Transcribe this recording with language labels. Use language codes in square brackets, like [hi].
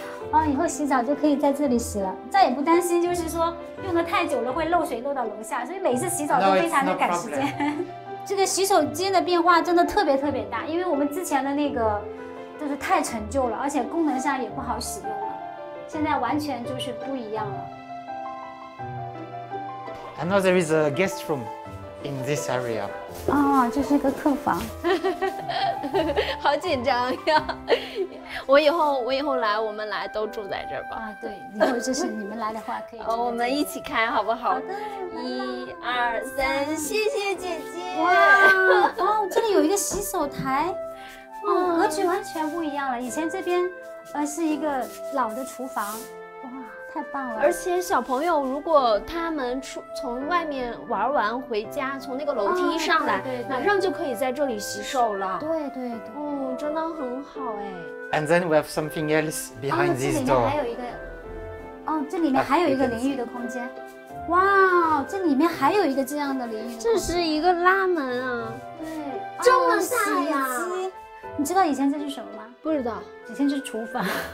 [zh] 啊，以后洗澡就可以在这里洗了，再也不担心就是说用的太久了会漏水漏到楼下，所以每次洗澡都非常的赶时间。 [en] No, [zh] 这个洗手间的变化真的特别特别大，因为我们之前的那个就是太陈旧了，而且功能上也不好使用了，现在完全就是不一样了。 [en] I know there is a guest room in this area. [zh] 啊，这是个客房。好紧张呀！我以后来，我们来都住在这儿吧。啊，对，以后就是你们来的话可以。哦，我们一起开好不好？好的。一二三，谢谢姐姐。哇哦，这里有一个洗手台，哦，格局完全不一样了。以前这边，是一个老的厨房。哇，太太棒了。而且小朋友如果他们从外面玩完回家，从那个楼梯上来，马上就可以在这里洗手了。对对对，哦，真的很好哎。 [en] And then we have something else behind this door. [zh] 这里面还有一个，这里面还有一个淋浴的空间。哇，这里面还有一个这样的淋浴，这是一个拉门啊。对，这么洗呀、啊哦？你知道以前这是什么吗？不知道，以前就是厨房。